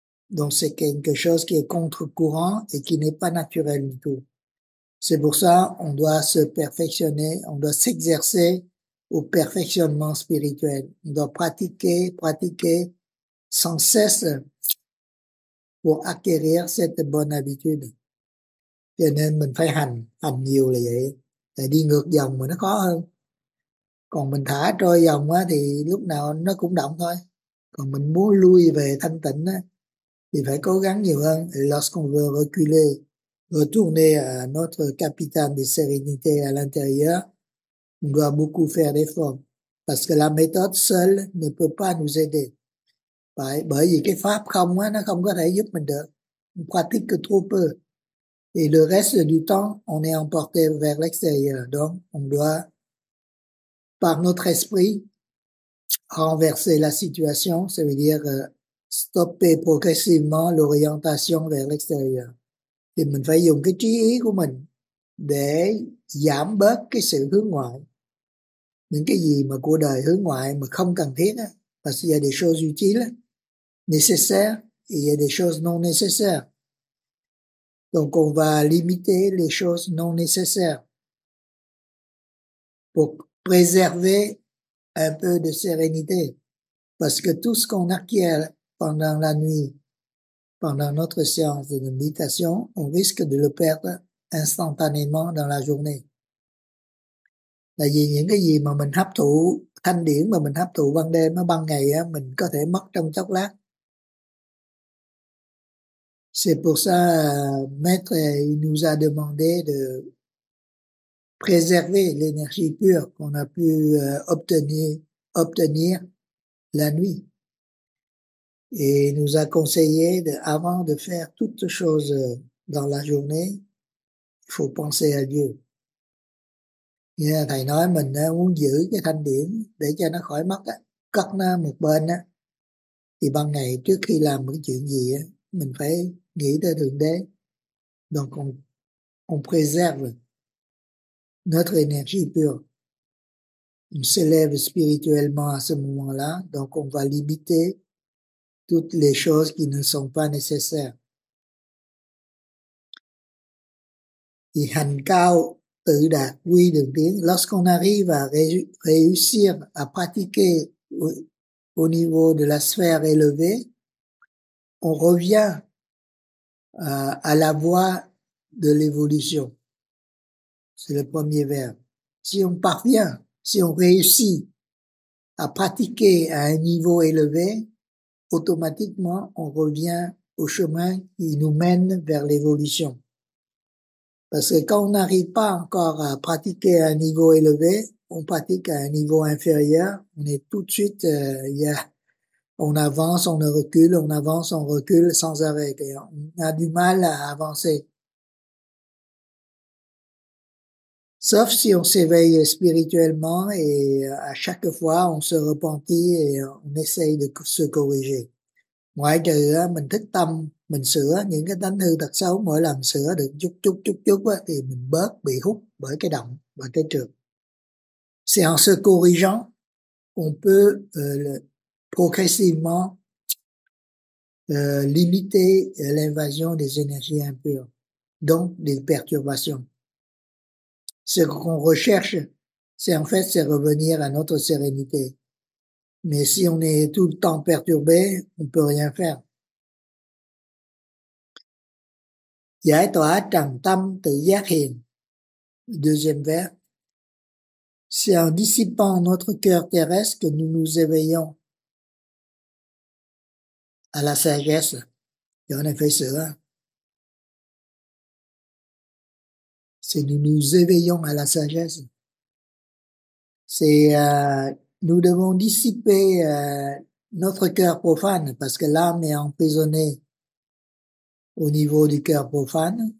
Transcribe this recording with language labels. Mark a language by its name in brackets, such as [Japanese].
[French] Donc c'est quelque chose qui est contre-courant et qui n'est pas naturel du tout. C'est pour ça qu'on doit se perfectionner, on doit s'exercer au perfectionnement spirituel. On doit pratiquer, pratiquer sans cesse pour acquérir cette bonne habitude. [Vietnamese] Cho nên mình phải hành, hành nhiều là vậy. Để đi ngược dòng mà nó khó hơn. còn mình thả trôi dòng á thì lúc nào nó cũng động thôi, còn mình muốn lui về thanh tịnh á thì phải cố gắng nhiều hơn. [French] Lorsqu'on veut reculer, retourner à notre capital de sérénité à l'intérieur, on doit beaucoup faire d'efforts, parce que la méthode seule ne peut pas nous aider. [Vietnamese] Phải, bởi vì cái pháp không á, nó không có thể giúp mình được. [French] On pratique que trop peu. Et le reste du temps, on est emporté vers l'extérieur. Donc, on doit, par notre esprit, renverser la situation. Ça veut dire stopper progressivement l'orientation vers l'extérieur. [Vietnamese] Thì mình phải dùng cái trí ý của mình để giảm bớt cái sự hướng ngoại. Những cái gì mà của đời hướng ngoại mà không cần thiết á. [French] Parce qu'il y a des choses utiles, nécessaires, et il y a des choses non nécessaires. Donc, on va limiter les choses non nécessaires pour préserver un peu de sérénité. Parce que tout ce qu'on acquiert pendant la nuit, pendant notre séance de méditation, on risque de le perdre instantanément dans la journée. [Vietnamese] Tại vì những cái gì mà mình hấp thụ, thanh điển mà mình hấp thụ ban đêm, nó ban ngày á, mình có thể mất trong chốc lát. [French] C'est pour ça, Maître, il nous a demandé de préserver l'énergie pure qu'on a pu obtenir la nuit. Et il nous a conseillé de, avant de faire toute chose dans la journée, il faut penser à Dieu. [Vietnamese] Như là thầy nói, mình muốn giữ cái thanh điển để cho nó khỏi mất, cất nó một bên á, thì ban ngày trước khi làm một cái chuyện gì á, mình phải nghĩ tới Thượng Đế. [French] Donc on préserve notre énergie pure. On s'élève spirituellement à ce moment-là. Donc on va limiter toutes les choses qui ne sont pas nécessaires. [Vietnamese] Thì hành cao tự đạt quy đường tiến. [French] Lorsqu'on arrive à réussir à pratiquer au niveau de la sphère élevée, on revient à la voie de l'évolution. C'est le premier verbe. Si on parvient, si on réussit à pratiquer à un niveau élevé, automatiquement, on revient au chemin qui nous mène vers l'évolution. Parce que quand on n'arrive pas encore à pratiquer à un niveau élevé, on pratique à un niveau inférieur, on est tout de suite, on avance, on recule, on avance, on recule sans arrêt. Et on a du mal à avancer. Sauf si on s'éveille spirituellement et à chaque fois on se repentit et on essaye de se corriger. [Vietnamese] Ngoại trừ mình thức tâm, mình sửa những cái tánh hư tật xấu, mỗi lần sửa được chút chút chút chút thì mình bớt bị hút bởi cái động và cái trượt. [French] C'est en se corrigeant, on peut progressivement limiter l'invasion des énergies impures, donc des perturbations. Ce qu'on recherche, c'est en fait c'est revenir à notre sérénité. Mais si on est tout le temps perturbé, on peut rien faire. [Vietnamese] Giải tỏa trần tâm tự giác hiền. [French] Deuxième vers. C'est en dissipant notre cœur terrestre que nous nous éveillons à la sagesse. Et on a fait ça. C'est nous nous éveillons à la sagesse. C'est nous devons dissiper notre cœur profane, parce que l'âme est emprisonnée au niveau du cœur profane.